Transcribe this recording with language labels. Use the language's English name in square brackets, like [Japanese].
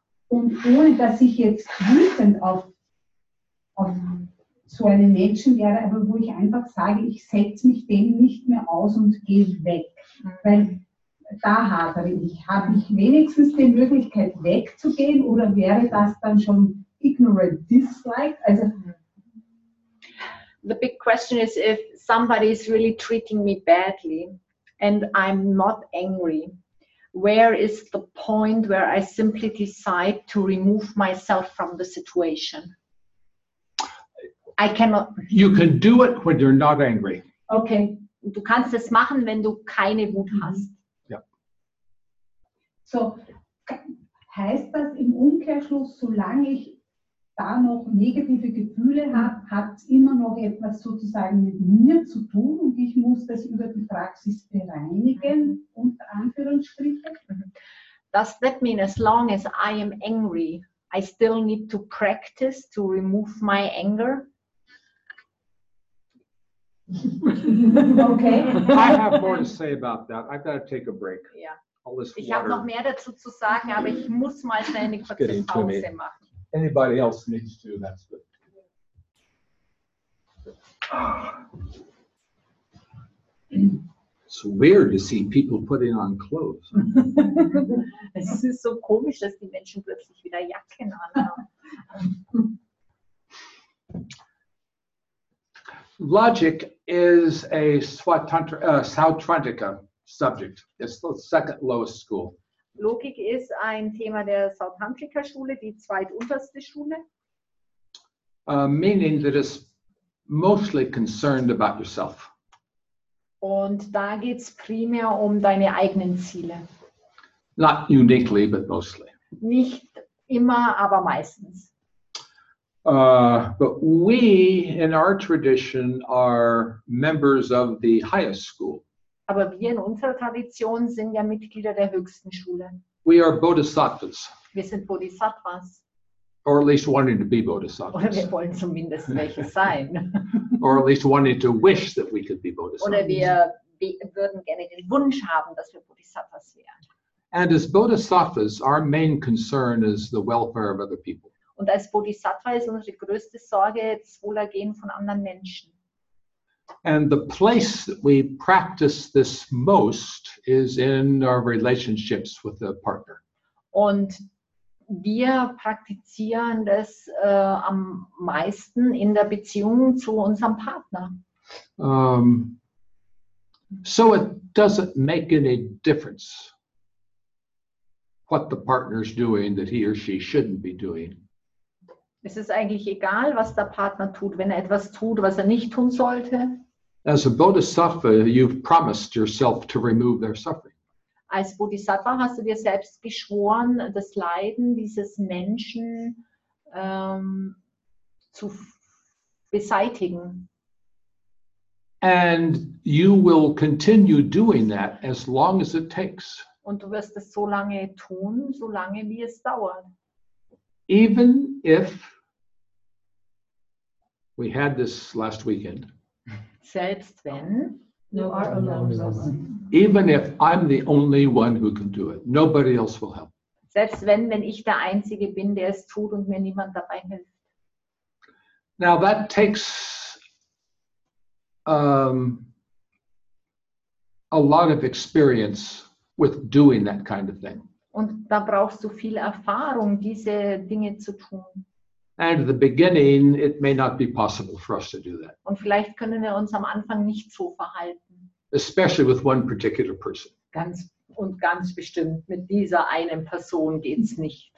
[German] Und ohne, dass ich jetzt wütend auf so einen Menschen wäre, aber wo ich einfach sage, ich setze mich dem nicht mehr aus und gehe weg. Weil da hadere ich. Habe ich wenigstens die Möglichkeit wegzugehen oder wäre das dann schon ignorant dislike? Also [English] the big question is if somebody is really treating me badly and I'm not angry, where is the point where I simply decide to remove myself from the situation? I cannot. You can do it when you're not angry. Okay. [German] Du kannst es machen, wenn du keine Wut hast. So, heißt das im Umkehrschluss, solange ich da noch negative Gefühle habe, hat es immer noch etwas sozusagen mit mir zu tun und ich muss das über die Praxis bereinigen, unter Anführungsstrichen? [English] Does that mean, as long as I am angry, I still need to practice to remove my anger? Okay. I have more to say about that. I've got to take a break. Yeah. [German] Ich habe noch mehr dazu zu sagen, aber ich muss mal schnell eine kurze Pause machen. [English] Anybody else needs to, that's good. It's weird to see people putting on clothes. [German] Es ist so komisch, dass die Menschen plötzlich wieder Jacken anhaben. [English] Logic is a Sautrantika. Subject. It's the second lowest school. [German] Logik ist ein Thema der Sautantrika Schule, die zweitunterste Schule. [English] Meaning that it's mostly concerned about yourself. [German] Und da geht's primär um deine eigenen Ziele. [English] Not uniquely, but mostly. [German] Nicht immer, aber meistens. [English] But we, in our tradition, are members of the highest school. [German] Aber wir in unserer Tradition sind ja Mitglieder der höchsten Schule. [English] We are Bodhisattvas. [German] Wir sind Bodhisattvas. [English] Or at least wanting to be Bodhisattvas. [German] Oder wir wollen zumindest welche sein. [English] Or at least wanting to wish that we could be Bodhisattvas. [German] Oder wir würden gerne den Wunsch haben, dass wir Bodhisattvas wären. [English] And as Bodhisattvas, our main concern is the welfare of other people. [German] Und als Bodhisattva ist unsere größte Sorge das Wohlergehen von anderen Menschen. [English] And the place that we practice this most is in our relationships with the partner. [German] Und wir praktizieren das am meisten in der Beziehung zu unserem Partner. [English] So it doesn't make any difference what the partner's doing that he or she shouldn't be doing. [German] Es ist eigentlich egal, was der Partner tut, wenn er etwas tut, was er nicht tun sollte. [English] As a Bodhisattva, you've promised yourself to remove their suffering. [German] Als Bodhisattva hast du dir selbst geschworen, das Leiden dieses Menschen zu beseitigen. [English] And you will continue doing that as long as it takes. [German] Und du wirst es so lange tun, so lange wie es dauert. [English] Even if we had this last weekend. [German] Selbst wenn, [English] no, even if I'm the only one who can do it, nobody else will help. [German] Selbst wenn ich der Einzige bin, der es tut und mir niemand dabei hilft. [English] Now that takes a lot of experience with doing that kind of thing. [German] Und da brauchst du viel Erfahrung, diese Dinge zu tun. [English] And at the beginning, it may not be possible for us to do that. [German] Und vielleicht können wir uns am Anfang nicht so verhalten. [English] Especially with one particular person. [German] Ganz bestimmt mit dieser einen Person geht's nicht.